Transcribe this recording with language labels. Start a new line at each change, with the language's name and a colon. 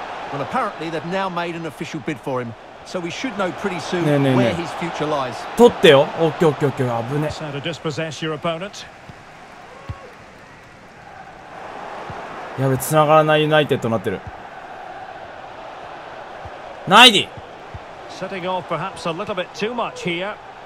English: Well, apparently they've now made an official bid for him, so we should know pretty soon where his future lies.
Japanese: 取ってよ。オッケーオッケーオッケー。危ね。
English: To dispossess your opponent.
Japanese: やべ、繋がらないユナイテッドになってる。ナイディ。
English: Setting off perhaps a little bit too much here.